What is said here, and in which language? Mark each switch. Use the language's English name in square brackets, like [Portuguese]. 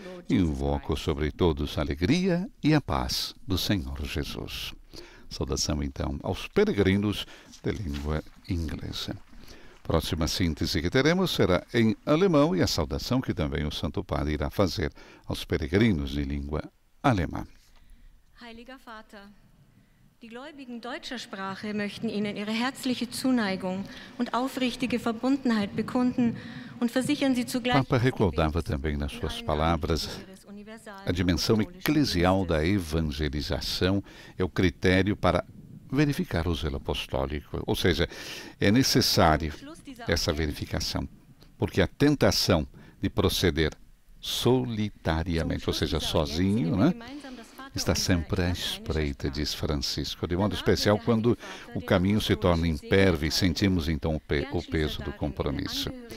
[Portuguese] Invoco sobre todos a alegria e a paz do Senhor Jesus. Saudação, então, aos peregrinos de língua inglesa. Próxima síntese que teremos será em alemão e a saudação que também o Santo Padre irá fazer aos peregrinos de língua alemã. [German] Heiliger Vater, die Gläubigen deutscher Sprache möchten Ihnen ihre herzliche Zuneigung und aufrichtige Verbundenheit bekunden und versichern Sie zugleich. [Portuguese] Papa recordava também nas suas palavras a dimensão eclesial da evangelização é o critério para verificar o zelo apostólico. Ou seja, é necessário essa verificação, porque a tentação de proceder solitariamente, ou seja, sozinho, né, está sempre à espreita, diz Francisco, de modo especial quando o caminho se torna impérvio e sentimos então o peso do compromisso.